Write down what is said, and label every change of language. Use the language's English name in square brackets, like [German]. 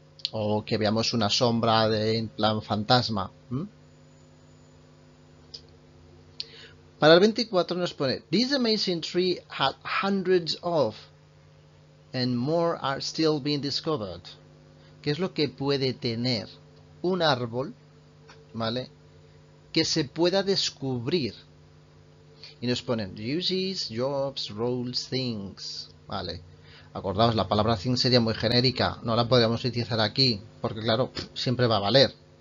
[Spanish] O que veamos una sombra en plan fantasma. Para el 24 nos pone: [English] This amazing tree had hundreds of and more are still being discovered. [Spanish] ¿Qué es lo que puede tener un árbol, vale, que se pueda descubrir? Y nos ponen: [English] uses, jobs, roles, things, [Spanish] vale. Acordaos, la palabra thing sería muy genérica, no la podríamos utilizar aquí, porque claro, siempre va a valer.